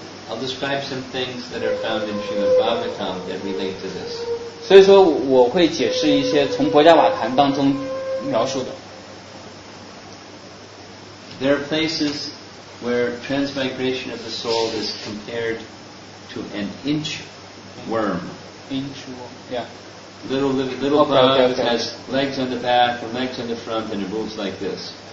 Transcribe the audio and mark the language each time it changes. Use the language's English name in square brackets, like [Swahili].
[English] I'll describe some things that are found in Srimad Bhagavatam that relate to this. [Chinese] 所以说，我会解释一些从《博伽瓦坛》当中描述的。 [English] There are places. Where transmigration of the soul is compared to an inch worm. Inch worm, yeah. Little bug has legs on the back and legs on the front and it moves like this.